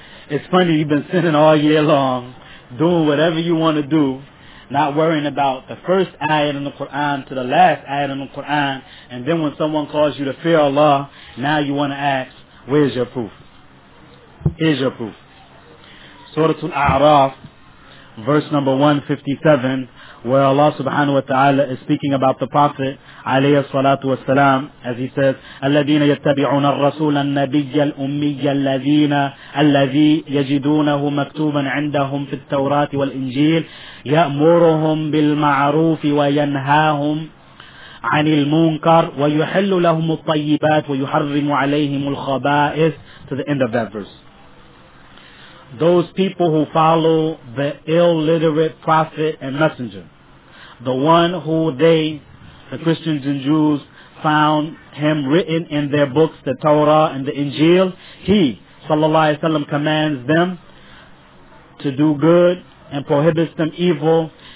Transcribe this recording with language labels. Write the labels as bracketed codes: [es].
[en] It's funny, you've been sinning all year long, doing whatever you want to do, not worrying about the first ayat in the Quran to the last ayat in the Quran, and then when someone calls you to fear Allah, now you want to ask, where's your proof? Here's your proof. Surah Al-A'raf, verse number 157, where Allah subhanahu wa ta'ala is speaking about the Prophet alayhi salatu wa salam, as he says, [ar] الَّذِينَ يَتَّبِعُونَ الرَّسُولَ النَّبِيَّ الْأُمِّيَّ الَّذِي يَجِدُونَهُ مَكْتُوبًا عِنْدَهُمْ فِي التَّوْرَاةِ وَالْإِنْجِيلِ يَأْمُرُهُمْ بِالْمَعْرُوفِ وَيَنْهَاهُمْ عن المنكر ويحل لهم الطيبات ويحرم عليهم الخبائث. [en] To the end of that verse. Those people who follow the illiterate prophet and messenger, the one who they, the Christians and Jews, found him written in their books, the Torah and the Injil, he, sallallahu alaihi wasallam, commands them to do good and prohibits them evil.